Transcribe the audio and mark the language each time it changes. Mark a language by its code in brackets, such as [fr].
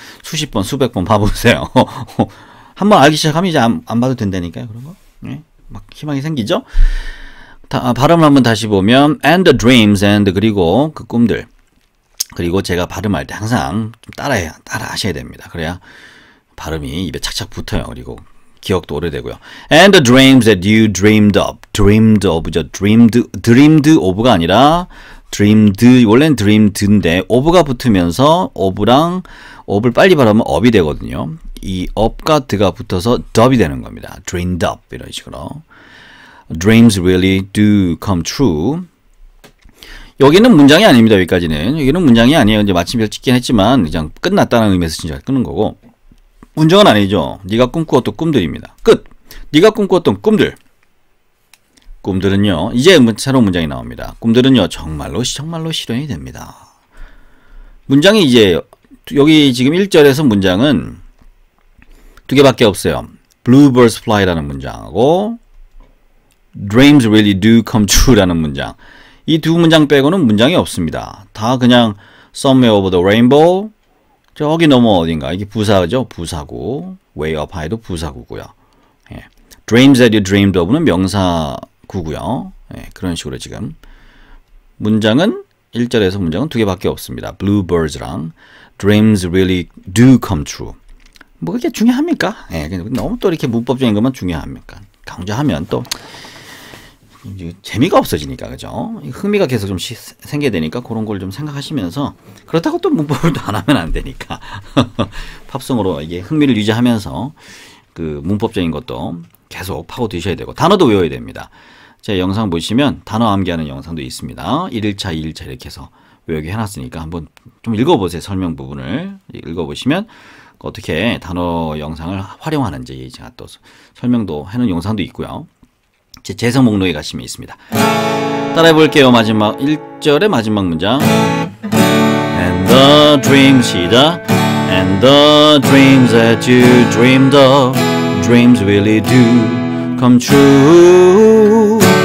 [ko] 수십 번, 수백 번 봐보세요. 한번 알기 시작하면 이제 안 봐도 된다니까요. 그런 거. 네? 막 희망이 생기죠? 발음을 한번 다시 보면, [en] and the dreams and, [ko] 그리고 그 꿈들. 그리고 제가 발음할 때 항상 따라 하셔야 됩니다. 그래야 발음이 입에 착착 붙어요. 그리고 기억도 오래되고요. [en] And the dreams that you dreamed of. Dreamed of죠. [ko] Dreamed of가 아니라 dreamed, 원래는 dreamed인데 of가 붙으면서 of랑 of를 빨리 발음하면 up이 되거든요. 이 up과 the가 붙어서 dub이 되는 겁니다. Dreamed up 이런 식으로. [en] Dreams really do come true. [ko] 여기는 문장이 아닙니다. 여기까지는. 여기는 문장이 아니에요. 이제 마침표를 찍긴 했지만 그냥 끝났다는 의미에서 진짜 끊은 거고. 문장은 아니죠. 네가 꿈꾸었던 꿈들입니다. 끝. 네가 꿈꾸었던 꿈들. 꿈들은요. 이제 새로운 문장이 나옵니다. 꿈들은요. 정말로 실현이 됩니다. 문장이 이제 여기 지금 1절에서 문장은 두 개밖에 없어요. Bluebirds fly라는 문장하고 [en] Dreams really do come true [ko] 라는 문장. 이 두 문장 빼고는 문장이 없습니다. 다 그냥 [en] Somewhere over the rainbow. [ko] 저기 넘어 어딘가. 이게 부사죠. 부사고. [en] Way up high도 [ko] 부사구고요. 예. [en] Dreams that you dreamed of는 [ko] 명사구고요. 예. 그런 식으로 지금. 문장은 1절에서 문장은 두 개밖에 없습니다. [en] Bluebirds랑 Dreams really do come true. [ko] 뭐 그게 중요합니까? 예. 너무 또 이렇게 문법적인 것만 중요합니까? 강조하면 또 재미가 없어지니까, 그죠? 흥미가 계속 좀 생겨야 되니까, 그런 걸 좀 생각하시면서, 그렇다고 또 문법을 또 안 하면 안 되니까. 팝송으로 이게 흥미를 유지하면서, 그 문법적인 것도 계속 파고 드셔야 되고 단어도 외워야 됩니다. 제 영상 보시면 단어 암기하는 영상도 있습니다. 1일차, 2일차 이렇게 해서 외우게 해놨으니까 한번 좀 읽어보세요. 설명 부분을 읽어보시면 어떻게 단어 영상을 활용하는지 제가 또 설명도 해놓은 영상도 있고요. 제 재성 목록에 가시면 있습니다. 따라해 볼게요. 마지막 1절의 마지막 문장. [en] And the dreams, [ko] 시작. [en] And the dreams that you dreamed of, dreams really do come true.